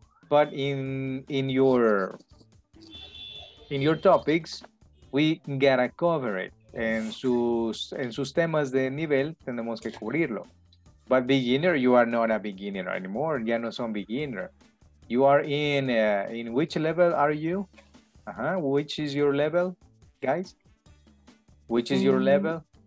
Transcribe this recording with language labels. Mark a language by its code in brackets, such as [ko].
[en] But in your topics, we gotta cover it. [es] En sus temas de nivel tenemos que cubrirlo. [en] But beginner, you are not a beginner anymore. [es] Ya no son [en] beginner. You are in which level are you? Uh-huh. Which is your level, guys? Which is your level?